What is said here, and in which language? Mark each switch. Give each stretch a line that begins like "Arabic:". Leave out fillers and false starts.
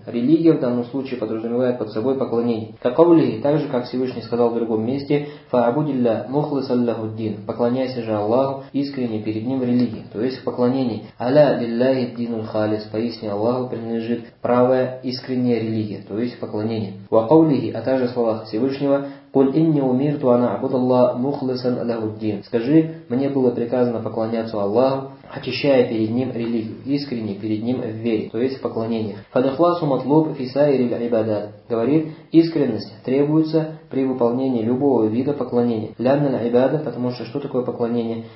Russian: Религия в данном случае подразумевает под собой поклонение. Каковлихи, так же, как Всевышний сказал в другом месте,
Arabic: фаабудилля мухлисан лаху ддин,
Russian: поклоняйся же Аллаху искренне перед ним в религии, то есть в поклонении.
Arabic: Аля лилляхи ддинул халис,
Russian: поистине Аллаху принадлежит правая искренняя религия, то есть в поклонении.
Arabic: Ваковлихи,
Russian: а также в словах Всевышнего,
Arabic: قُلْ إِنِّي أُمِرْتُ أَنْ أَعْبُدَ اللَّهَ مُخْلِصًا لَهُ الدِّينَ.
Russian: Скажи, мне было приказано поклоняться Аллаху, очищая перед ним религию, искренне перед ним в вере, то есть в поклонениях.
Arabic: فَالْإِخْلَاصُ مَطْلُوبٌ فِي سَائِرِ الْعِبَادَاتِ.
Russian: Говорит, искренность требуется при выполнении любого вида поклонения.
Arabic: لَأَنَّ الْعِبَادَةَ,
Russian: потому что что такое поклонение?